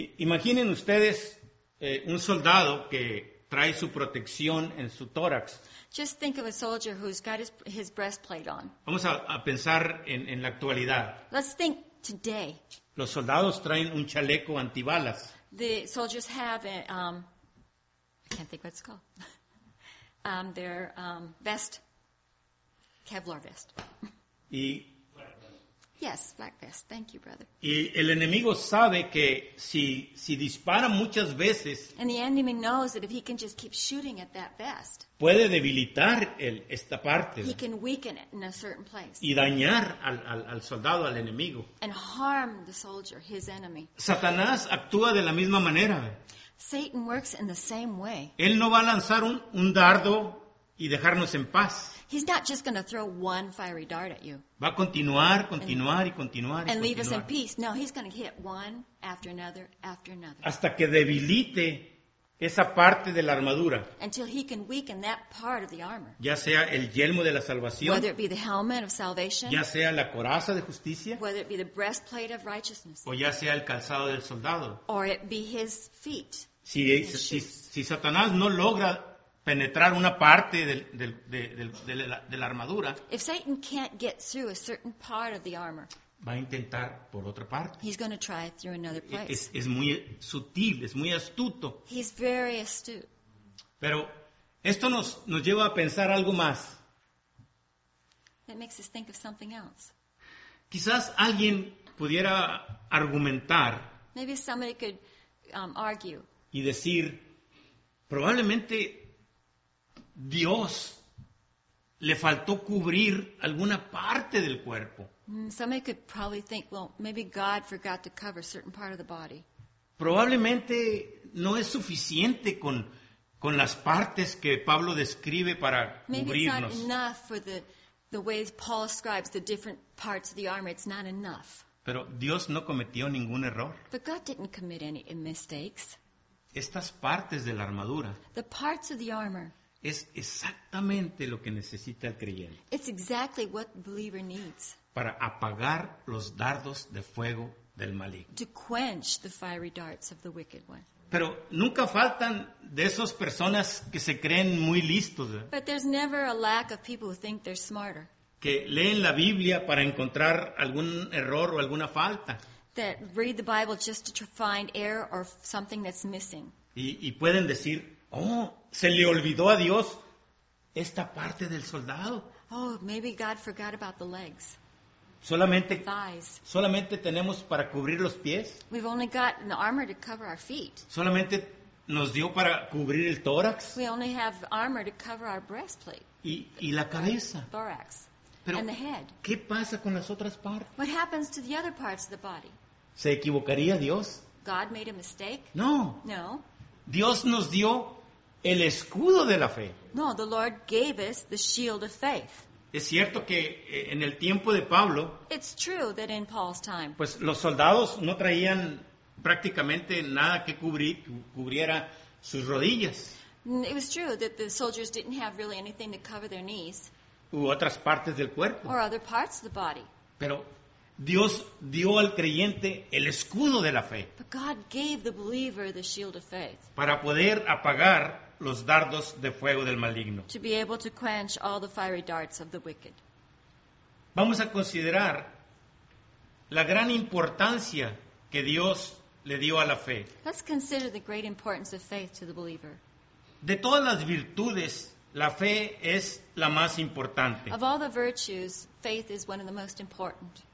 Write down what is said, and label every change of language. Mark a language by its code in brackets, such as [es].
[es] Imaginen ustedes un soldado que trae su protección en su tórax. [en] Just think of a soldier who's got his breastplate on. [es] Vamos a pensar en la actualidad. [en] Let's think today. [es] Los soldados traen un chaleco antibalas. [en] The soldiers have I can't think what it's called. Their vest. Kevlar vest. [es] Y [en] yes, black vest. Thank you, brother. [es] Y el enemigo sabe que si dispara muchas veces. [en] And the enemy knows that if he can just keep shooting at that vest. [es] Puede debilitar esta parte. [en] He can weaken it in a certain place. [es] Y dañar al soldado, al enemigo. [en] And harm the soldier, his enemy. [es] Satanás actúa de la misma manera. [en] Satan works in the same way. [es] Él no va a lanzar un dardo y dejarnos en paz. [en] He's not just going to throw one fiery dart at you. [es] Va a continuar. [en] And leave us in peace. No, he's going to hit one after another. [es] Hasta que debilite esa parte de la armadura. [en] Until he can weaken that part of the armor. [es] Ya sea el yelmo de la salvación. [en] Whether it be the helmet of salvation. [es] Ya sea la coraza de justicia. [en] Whether it be the breastplate of righteousness. [es] O ya sea el calzado del soldado. [en] Or it be his feet. [es] Si Satanás no logra penetrar una parte de la armadura. [en] If Satan can't get through a certain part of the armor. [es] Va a intentar por otra parte. [en] He's going to try it through another place. [es] Es muy sutil, es muy astuto. [en] He's very astute. [es] Pero esto nos lleva a pensar algo más. [en] That makes us think of something else. [es] Quizás alguien pudiera argumentar. [en] Maybe somebody could argue. [es] Y decir, probablemente Dios le faltó cubrir alguna parte del cuerpo. [en] Somebody could probably think, well, maybe God forgot to cover a certain part of the body. [es] Probablemente no es suficiente con las partes que Pablo describe para cubrirnos. [en] Maybe it's not enough for the way Paul describes the different parts of the armor. It's not enough. [es] Pero Dios no cometió ningún error. [en] But God didn't commit any mistakes. [es] Estas partes de la armadura. [en] The parts of the armor. [es] Es exactamente lo que necesita el creyente. [en] It's exactly what the believer needs. [es] Para apagar los dardos de fuego del maligno. [en] To quench the fiery darts of the wicked one. [es] Pero nunca faltan de esas personas que se creen muy listos. [en] But there's never a lack of people who think they're smarter. [es] Que leen la Biblia para encontrar algún error o alguna falta. [en] That read the Bible just to find error or something that's missing. [es] Y pueden decir, oh, se le olvidó a Dios esta parte del soldado. [en] Oh, maybe God forgot about the legs. [es] Solamente, [en] the thighs. [es] Solamente tenemos para cubrir los pies. [en] We've only got the armor to cover our feet. [es] Solamente nos dio para cubrir el tórax. [en] We only have armor to cover our breastplate. [es] Y la cabeza. [en] The thorax. [es] Pero, [en] and the head. [es] ¿Qué pasa con las otras partes? [en] What happens to the other parts of the body? [es] ¿Se equivocaría Dios? [en] God made a mistake? [es] No. [en] No. [es] Dios nos dio el escudo de la fe. [en] No, the Lord gave us the shield of faith. [es] Es cierto que en el tiempo de Pablo, [en] it's true that in Paul's time, [es] pues los soldados no traían prácticamente nada que cubriera sus rodillas. [en] It was true that the soldiers didn't have really anything to cover their knees. [es] U otras partes del cuerpo. [en] Or other parts of the body. [es] Pero Dios dio al creyente el escudo de la fe. [en] But God gave the believer the shield of faith. [es] Para poder apagar los dardos de fuego del maligno. [en] To be able to quench all the fiery darts of the wicked. [es] Vamos a considerar la gran importancia que Dios le dio a la fe. [en] Let's consider the great importance of faith to the believer. [es] De todas las virtudes, la fe es la más importante. [en] Of all the virtues, faith is one of the most important.